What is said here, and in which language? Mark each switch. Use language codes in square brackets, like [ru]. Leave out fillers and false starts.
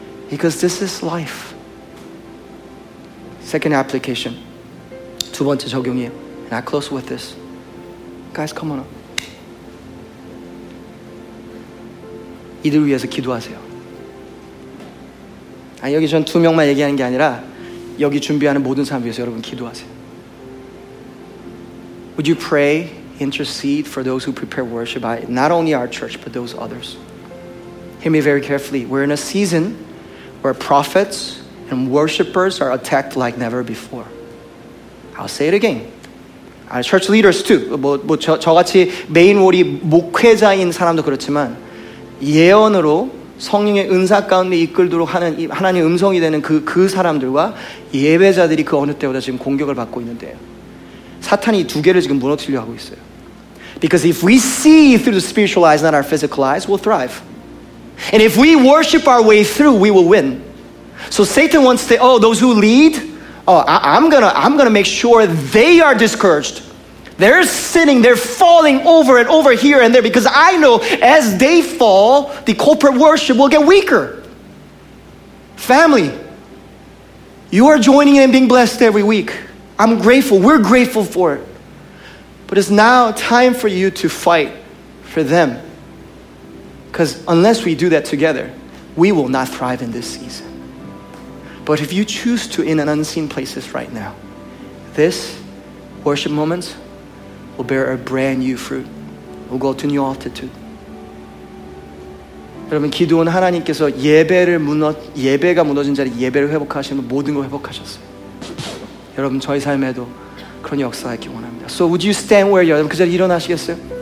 [en] Because this is life. Second application. [ko] 두 번째 적용이에요. [en] And I close with this. Guys, come on up. [ko] 이들을 위해서 기도하세요. 아니, 여기 전 두 명만 얘기하는 게 아니라 여기 준비하는 모든 사람 위해서 여러분 기도하세요. [en] Would you pray, intercede for those who prepare worship, not only our church, but those others? Hear me very carefully. We're in a season where prophets and worshipers are attacked like never before. I'll say it again. Our church leaders too. [ko] 저같이 메인 롤이 목회자인 사람도 그렇지만 예언으로 성령의 은사 가운데 이끌도록 하는 하나님의 음성이 되는 그 사람들과 예배자들이 그 어느 때보다 지금 공격을 받고 있는데요. 사탄이 두 개를 지금 무너뜨리려 하고 있어요. [en] Because if we see through the spiritual eyes, not our physical eyes, we'll thrive. And if we worship our way through, we will win. So Satan wants to, oh, those who lead, oh, I'm gonna make sure they are discouraged. They're sinning, they're falling over and over here and there because I know as they fall, the corporate worship will get weaker. Family, you are joining in and being blessed every week. I'm grateful, we're grateful for it. But it's now time for you to fight for them. Because unless we do that together, we will not thrive in this season. But if you choose to in an unseen places right now, this worship moments will bear a brand new fruit. We'll go to new altitude. [ko] 여러분, 기도는 하나님께서 예배가 무너진 자리 예배를 회복하시면 모든 걸 회복하셨어요. 여러분, 저희 삶에도 그런 역사가 있기 원합니다. [en] So would you stand where you are? [ko] 그 자리 일어나시겠어요?